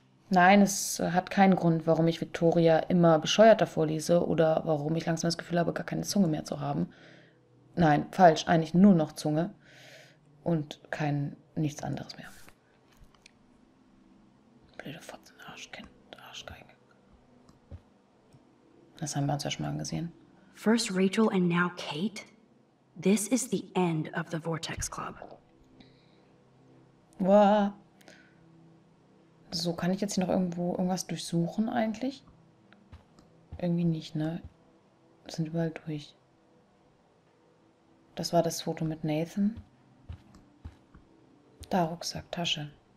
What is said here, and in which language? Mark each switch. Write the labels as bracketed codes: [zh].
[de] Nein, es hat keinen Grund, warum ich Victoria immer bescheuerter vorlese oder warum ich langsam das Gefühl habe, gar keine Zunge mehr zu haben. Nein, falsch, eigentlich nur noch Zunge und kein nichts anderes mehr. Blöde Fotzen, Arschkind, Arschgeige. Das haben wir uns ja schon mal gesehen. [en] First Rachel and now Kate? This is the end of the Vortex Club. Wow. [de] So, kann ich jetzt hier noch irgendwo irgendwas durchsuchen eigentlich? Irgendwie nicht, ne? Sind überall durch. Das war das Foto mit Nathan. Da, Rucksack, Tasche.